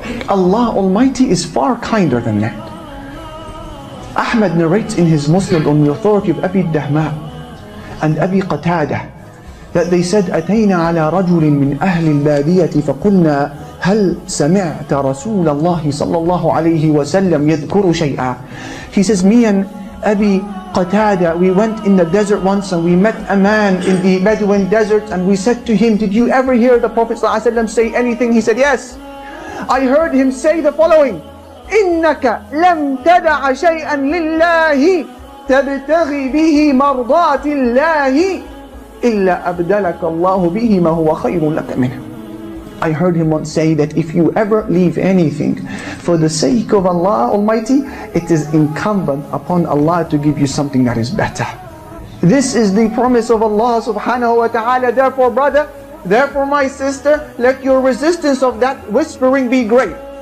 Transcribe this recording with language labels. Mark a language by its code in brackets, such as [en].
[en] Allah Almighty is far kinder than that. Ahmad narrates in his Muslim on the authority of Abi Dahma and Abi Qatada that they said, [ar] أتينا على رجل من أهل البادية فقلنا هل سمعت رسول الله صلى الله عليه وسلم يذكر شيئا. [en] He says, me and Abi Qatada, we went in the desert once and we met a man in the Bedouin desert and we said to him, did you ever hear the Prophet [ar] صلى الله عليه وسلم [en] say anything? He said, yes, I heard him say the following, [ar] إنك لم تدع شيئا لله تبتغي به مرضات الله إلا أبدلك الله به ما هو خير لك منه. [en] I heard him once say that if you ever leave anything for the sake of Allah Almighty, it is incumbent upon Allah to give you something that is better. This is the promise of Allah subhanahu wa ta'ala. Therefore, brother, therefore, my sister, let your resistance of that whispering be great.